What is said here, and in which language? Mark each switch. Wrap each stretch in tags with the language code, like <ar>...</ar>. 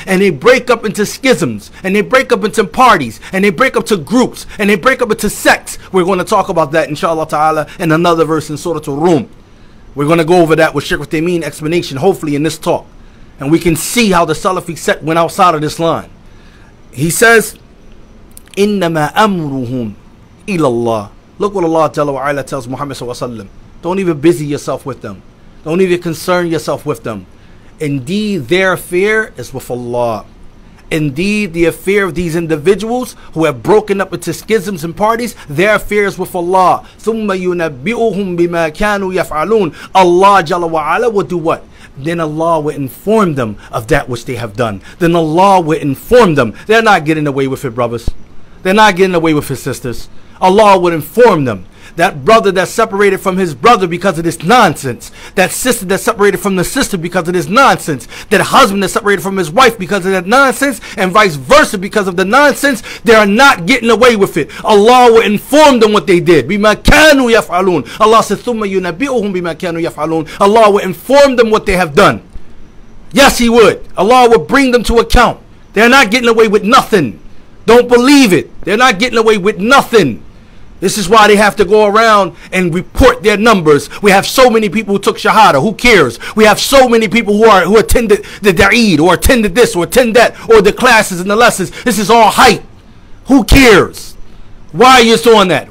<en>And they break up into schisms. And they break up into parties. And they break up to groups. And they break up into sects. We're going to talk about that, inshallah ta'ala, in another verse in Surah Al-Rum. We're going to go over that with Sheikh Uthaymeen explanation, hopefully in this talk. And we can see how the Salafi sect went outside of this line. He says,</en> <ar>إِنَّمَا أَمْرُهُمْ إِلَى اللَّهِ.</ar> <en>Look what Allah Jalla wa'ala tells Muhammad sallallahu alayhi wa sallam. Don't even busy yourself with them. Don't even concern yourself with them. Indeed, their affair is with Allah. Indeed, the affair of these individuals who have broken up into schisms and parties, their affair is with Allah.</en> <ar>ثُمَّ يُنَبِّئُهُمْ بِمَا كَانُوا يَفْعَلُونَ.</ar> <en>Allah Jalla wa'ala will do what? Then Allah will inform them of that which they have done. Then Allah will inform them. They're not getting away with it, brothers. They're not getting away with it, sisters. Allah will inform them. That brother that separated from his brother because of this nonsense. That sister that separated from the sister because of this nonsense. That husband that separated from his wife because of that nonsense. And vice versa because of the nonsense. They are not getting away with it. Allah will inform them what they did.</en> <ar>بِمَا كَانُوا يَفْعَلُونَ.</ar> <en>Allah said,</en> <ar>ثُمَّ يُنَبِّئُهُمْ بِمَا كَانُوا يَفْعَلُونَ.</ar> <en>Allah will inform them what they have done. Yes, he would. Allah will bring them to account. They are not getting away with nothing. Don't believe it. They are not getting away with nothing. This is why they have to go around and report their numbers. We have so many people who took Shahada. Who cares? We have so many people who attended the Da'id or attended this or attended that or the classes and the lessons. This is all hype. Who cares? Why are you doing that?</en>